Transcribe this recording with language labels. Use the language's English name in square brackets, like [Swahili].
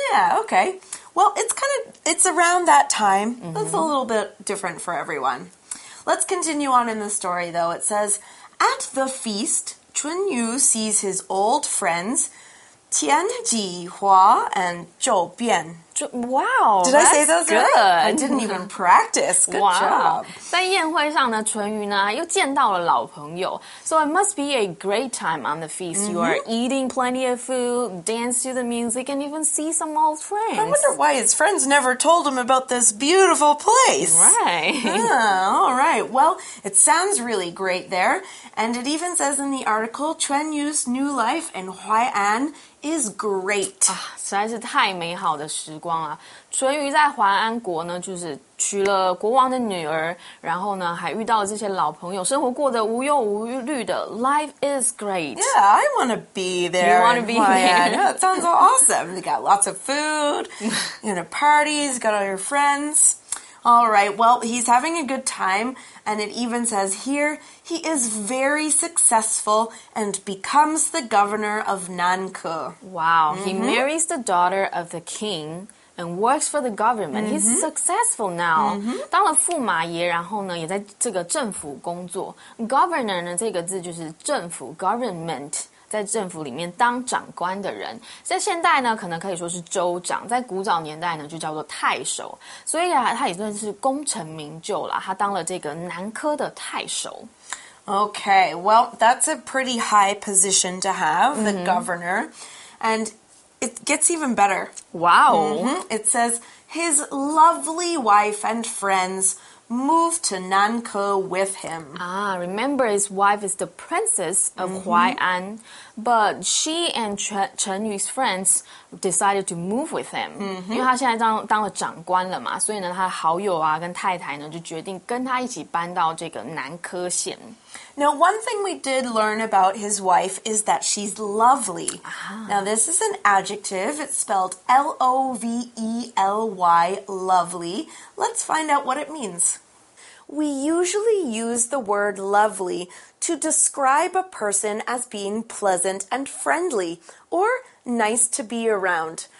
[English] Yeah, okay. Well, it's around that time. Mm-hmm. That's a little bit different for everyone. Let's continue on in the story, though. It says, at the feast, Chun Yu sees his old friends, Tian Ji Hua and Zhou Bian. Wow, did I say those good? I didn't even practice. Good job. [Chinese] 在宴会上呢，淳于呢又见到了老朋友。 [English] So it must be a great time on the feast. Mm-hmm. You are eating plenty of food, dance to the music, and even see some old friends. I wonder why his friends never told him about this beautiful place. Right. Yeah, all right. Well, it sounds really great there. And it even says in the article, Chun Yu's new life in Huai'an is great. [Chinese] Ah, 实在是太美好的时光了。淳于在淮安国呢，就是娶了国王的女儿，然后呢，还遇到了这些老朋友，生活过得无忧无虑的。 [English] Life is great. Yeah, I want to be there. You want to be there? Yeah, it sounds awesome. You got lots of food, you know, parties, got all your friends. All right, well, he's having a good time, and it even says here, he is very successful and becomes the governor of Nanke. Wow, mm-hmm. He marries the daughter of the king. And works for the government. Mm-hmm. He's successful now. Mm-hmm. [Chinese] 当了驸马爷然后呢也在这个政府工作。 Governor 呢这个字就是政府 government, 在政府里面当长官的人。在现代呢可能可以说是州长在古早年代呢就叫做太守。所以啊他也算是功成名就啦他当了这个南科的太守。 [English] Okay, well, that's a pretty high position to have, the、mm-hmm. governor. And... It gets even better. Wow. Mm-hmm. It says, his lovely wife and friends moved to Nanke with him. Ah, remember his wife is the princess of、mm-hmm. Huai'an, but she and Chen Yu's friends decided to move with him.、 Mm-hmm. [Chinese] 因为他现在当了长官了嘛，所以呢，他的好友啊跟太太呢就决定跟他一起搬到这个南科县。 [English] Now, one thing we did learn about his wife is that she's lovely.、 Ah. Now, this is an adjective. It's spelled L-O-V-E-L-Y, lovely. Let's find out what it means. We usually use the word lovely to describe a person as being pleasant and friendly or nice to be around.